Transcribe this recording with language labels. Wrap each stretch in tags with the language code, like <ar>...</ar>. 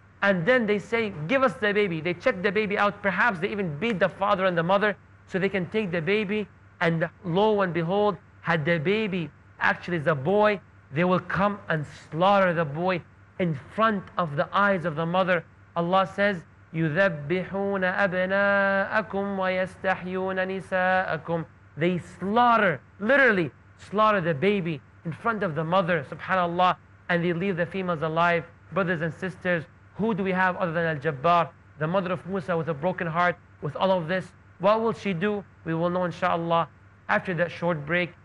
<en>And then they say, give us the baby. They check the baby out. Perhaps they even beat the father and the mother so they can take the baby. And lo and behold, had the baby actually is a boy, they will come and slaughter the boy in front of the eyes of the mother. Allah says,</en> <ar>يُذَبِّحُونَ أَبْنَاءَكُمْ وَيَسْتَحْيُونَ نِسَاءَكُمْ.</ar> <en>They slaughter, literally slaughter the baby in front of the mother, subhanAllah, and they leave the females alive. Brothers and sisters, who do we have other than Al-Jabbar, the mother of Musa with a broken heart, with all of this? What will she do? We will know, inshaAllah, after that short break.</en>